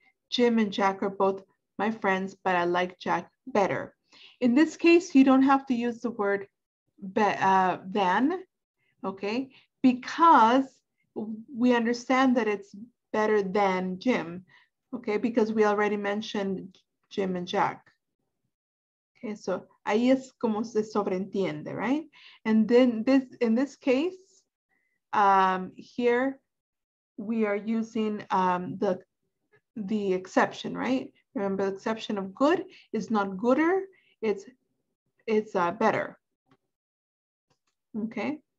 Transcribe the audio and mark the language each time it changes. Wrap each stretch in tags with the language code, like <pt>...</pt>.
<en>Jim and Jack are both my friends, but I like Jack better. In this case, you don't have to use the word than, okay? Because we understand that it's better than Jim. Okay, because we already mentioned Jim and Jack.</en> <es>Okay, so ahí es como se sobreentiende, right?</es> <en>And then this, in this case, here we are using the exception, right? Remember, the exception of good is not gooder, it's better. Okay.</en>